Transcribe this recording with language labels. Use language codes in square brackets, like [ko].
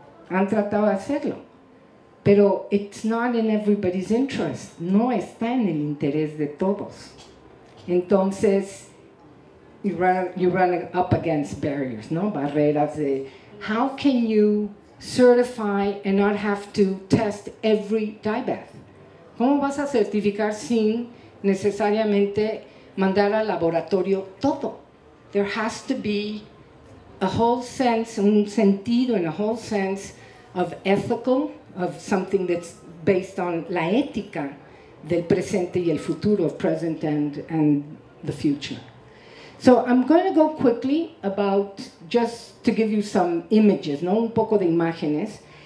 [es] Han tratado de hacerlo. Pero it's not in everybody's interest. No está en el interés de todos. Entonces, you run up against barriers, ¿no? Barreras de... [en] How can you certify and not have to test every dye bath? [es] ¿Cómo vas a certificar sin necesariamente mandar al laboratorio todo? [en] There has to be a whole sense, un sentido and a whole sense of ethical, of something that's based on la ética del presente y el futuro, of present and the future. So I'm going to go quickly about, just to give you some images, ¿no? Un poco de imágenes.